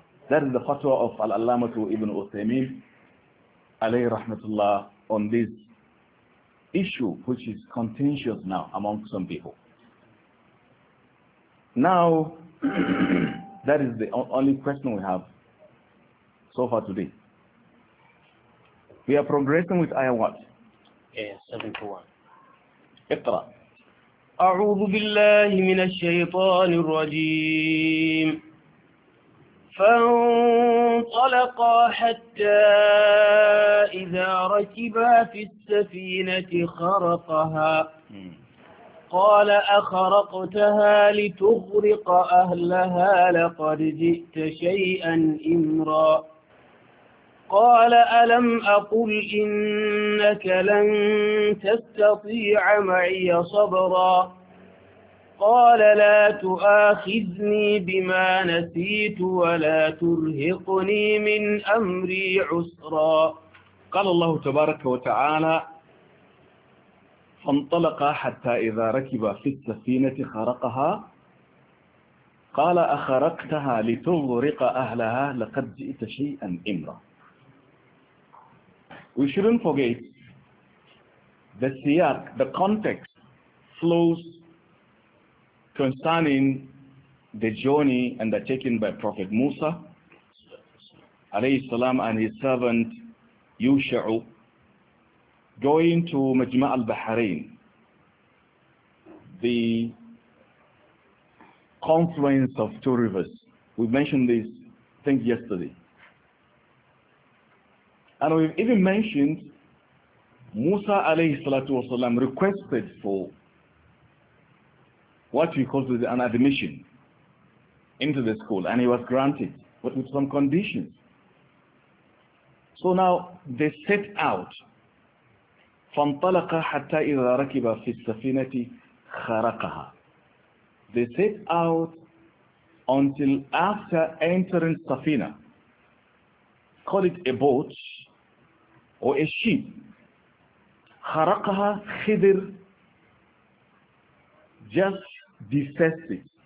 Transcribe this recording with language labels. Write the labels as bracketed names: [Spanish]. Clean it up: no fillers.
[English] That is the fatwa of Al-Allamatu Ibn Uthaymeen alayhi rahmatullah on this issue, which is contentious now among some people. Now, that is the only question we have so far today. We are progressing with ayah what? 71. Iqra. [Arabic] أعوذ بالله من الشيطان الرجيم. فانطلقا حتى إذا ركبا في السفينة خرقها، قال أخرقتها لتغرق أهلها لقد جئت شيئا إمرا. قال ألم أقل إنك لن تستطيع معي صبرا. قال لا تؤاخذني بما نسيت ولا ترهقني من أمري عسرا. قال الله تبارك وتعالى: فانطلقا حتى إذا ركبا في السفينة خرقها، قال أخرقتها لتغرق أهلها لقد جئت شيئا إمرا. [English] We shouldn't forget the siyaq, the context flows concerning the journey undertaken by Prophet Musa alayhi salam and his servant Yusha'u going to Majma' al-Bahrain, the confluence of two rivers. We mentioned this thing yesterday. And we've even mentioned Musa alayhi salatu wasalam requested for what we call an admission into the school, and he was granted, but with some conditions. So now they set out. [Arabic] فَانْطَلَقَ حَتَّى إِذَا رَكِبَ فِي السَّفِينَةِ خَرَقَهَا. [English] They set out until after entering Safina, call it a boat or a ship, Harakaha Khidr, just defaced it.